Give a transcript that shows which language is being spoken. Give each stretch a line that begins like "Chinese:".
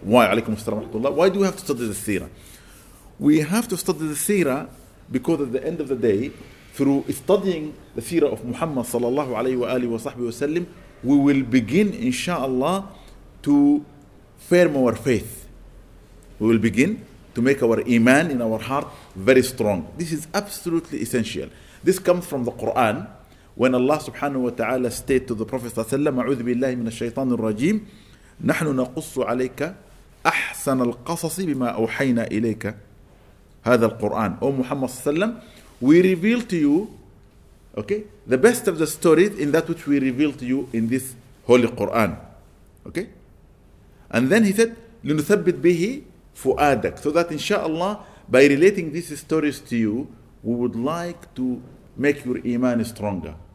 English: Why, alaykum as-salam wa rahmatullah, why do we have to study the seerah? We have to study the seerah because at the end of the day, through studying the seerah of Muhammad sallallahu alayhi wa alihi wa sahbihi wa sallim, we will begin, inshallah, to firm our faith. We will begin to make our iman in our heart very strong. This is absolutely essential. This comes from the Quran, when Allah subhanahu wa ta'ala state to the Prophet sallallahu alayhi wa sallam,
Arabic: أعوذ بالله من الشيطان الرجيم نحن نقص عليك أحسن القصص بما أوحينا إليك هذا القرآن.
English: O Muhammad sallallahu alayhi wa sallam, we reveal to you, okay, the best of the stories in that which we reveal to you in this Holy Quran. Okay? And then he said,
Arabic: لنثبت به فؤادك.
English: So that inshallah, by relating these stories to you, we would like to make your iman stronger.